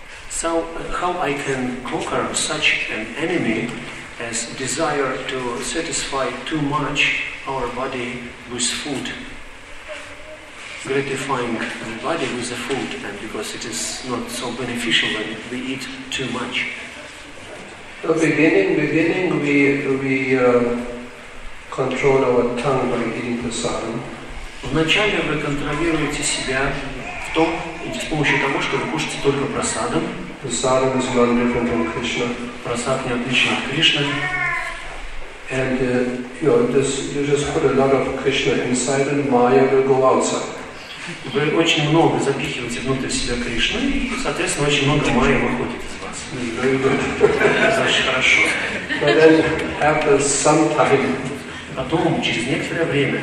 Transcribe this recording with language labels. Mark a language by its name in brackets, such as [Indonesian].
[English] So, how I can conquer such an enemy as desire to satisfy too much our body with food, gratifying the body with the food, and because it is not so beneficial when we eat too much. So beginning we control our tongue by eating prasadam. [Russian] Вначале вы контролируете себя в том, с помощью того, что вы кушаете только прасадом. [English] Prasadam is not different from Krishna. [Russian] Prasad не отличен от Кришны. [English] And you just put a lot of Krishna inside, and Maya will go outside. [Russian] Вы очень много запихиваете внутрь себя Кришну, и, соответственно, очень много майя выходит из вас. [English] Very good. [Russian] Это очень хорошо. [English] But then, after some time, [Russian] потом, через некоторое время,